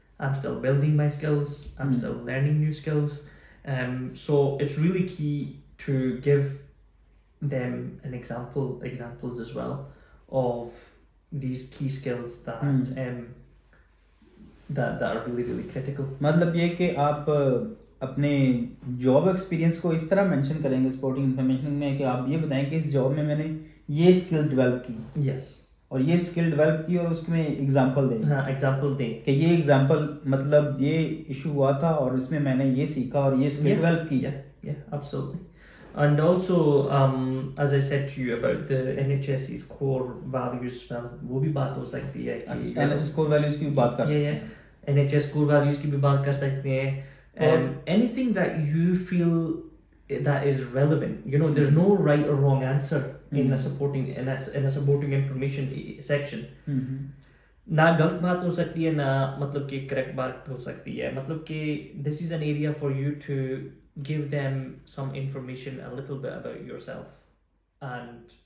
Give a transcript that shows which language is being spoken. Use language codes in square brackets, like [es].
[en] I'm still building my skills. I'm still learning new skills. So it's really key to give them an examples as well of these key skills that are really, really critical. [hi] मतलब ये कि आप अपने job experience को इस तरह mention करेंगे supporting information में कि आप ये बताएं कि इस जॉब में मैंने ये स्किल डेवलप की, [en] yes, [hi] और ये स्किल डेवलप की, और उसमें एग्जांपल दें हाँ, एग्जाम्पल दें. कि ये एग्जांपल मतलब ये इशू हुआ था और इसमें मैंने ये सीखा और ये स्किल डेवलप की. [en] Yeah absolutely. And also, as I said to you about the NHS's core values, well, [hi] वो भी बात हो सकती है कि NHS core values की भी बात कर सकते हैं. NHS core values की भी बात कर सकते हैं. [en] Anything that you feel that is relevant, you know, there's no right or wrong answer in a supporting in a supporting information section. [hi] ना गलत बात हो सकती है ना मतलब कि [en] correct बात हो सकती है मतलब कि this is an area for you to give them some information a little bit about yourself and